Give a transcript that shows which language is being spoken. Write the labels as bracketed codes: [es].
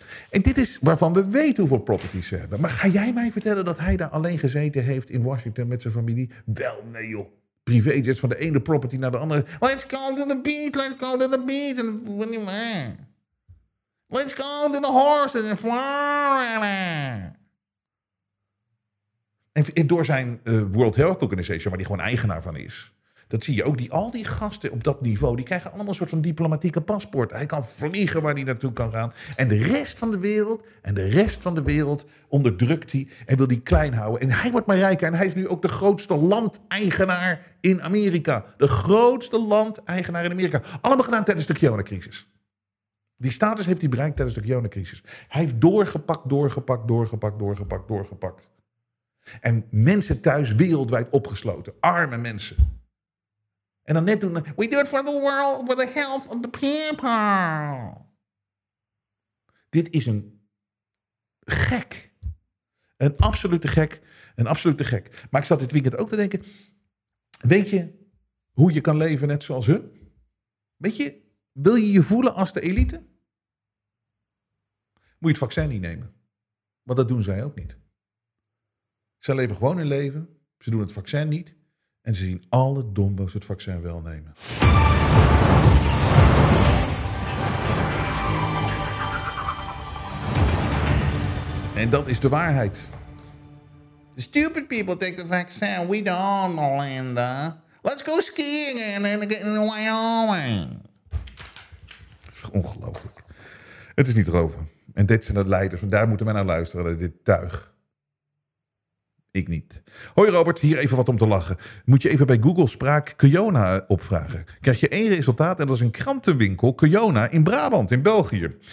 [nl] En dit is waarvan we weten hoeveel properties ze hebben. Maar ga jij mij vertellen dat hij daar alleen gezeten heeft in Washington met zijn familie? Wel, nee joh. Privéjets van de ene property naar de andere. [en] Let's go to the beach. Let's go to the beach. Let's go to the horses in Florida. [nl] En door zijn World Health Organization, waar hij gewoon eigenaar van is. Dat zie je ook. Al die gasten op dat niveau, die krijgen allemaal een soort van diplomatieke paspoort. Hij kan vliegen waar hij naartoe kan gaan. En de rest van de wereld, onderdrukt hij en wil die klein houden. En hij wordt maar rijker. En hij is nu ook de grootste landeigenaar in Amerika. De grootste landeigenaar in Amerika. Allemaal gedaan tijdens de coronacrisis. Die status heeft hij bereikt tijdens de coronacrisis. Hij heeft doorgepakt. En mensen thuis wereldwijd opgesloten. Arme mensen. En dan net doen... [en] We do it for the world, for the health of the people. [nl] Dit is een gek. Een absolute gek. Maar ik zat dit weekend ook te denken... Weet je hoe je kan leven net zoals hun? Weet je, wil je je voelen als de elite? Moet je het vaccin niet nemen. Want dat doen zij ook niet. Ze leven gewoon hun leven. Ze doen het vaccin niet. En ze zien alle dombo's het vaccin wel nemen. En dat is de waarheid. [en] The stupid people take the vaccine. We don't, Melinda. Let's go skiing in Wyoming. [nl] Ongelooflijk. Het is niet roven. En dit zijn de leiders. Want daar moeten we naar luisteren. Naar dit tuig. Ik niet. Hoi Robert, hier even wat om te lachen. Moet je even bij Google Spraak Kyona opvragen? Krijg je één resultaat en dat is een krantenwinkel Kyona in Brabant, in België.